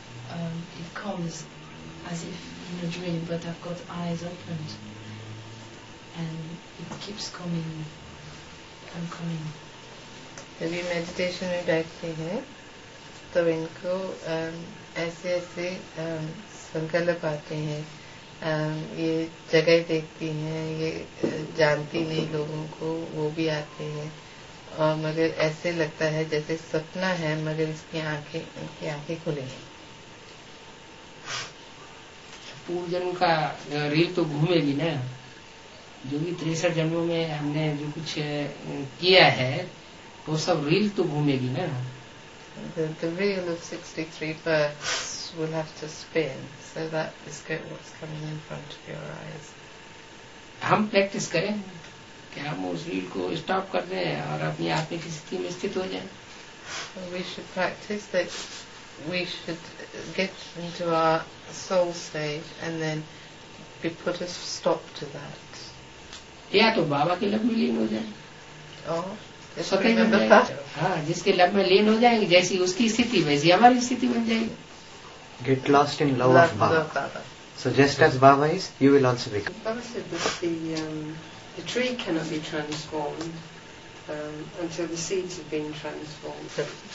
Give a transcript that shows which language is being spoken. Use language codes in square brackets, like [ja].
[en] It comes as if in a dream, but I've got eyes opened and it keeps coming. [hi] जब ये meditation में बैठते हैं तो इनको ऐसे ऐसे संकल्प आते हैं. ये जगह देखती हैं, ये जानती नहीं लोगों को, वो भी आते हैं, और मगर ऐसे लगता है जैसे सपना है मगर इसकी आंखें, इनकी आंखें खुली हैं. पूर्वजन्म का रील तो घूमेगी ना, जो भी 63 जन्मों में हमने जो कुछ किया है वो सब रील तो घूमेगी ना. [en] The reel of 63 births will have to spin, so that is what's coming in front of your eyes. [hi] हम प्रैक्टिस करें कि हम उस रील को स्टॉप कर दें और अपनी आत्मिक स्थिति में स्थित हो जाएं. [en] We should practice that we should get into our soul stage and then be put a stop to that. [hi] या तो बाबा के लब में लीन हो जाए, स्वतः में बता, हाँ, जिसके लब में लीन हो जाएंगे जैसी उसकी स्थिति वैसी हमारी स्थिति बन जाएगी. [en] Get lost in love of Baba, so just as Baba is you will also become. Baba said the tree can not be transformed until the seeds have been transformed.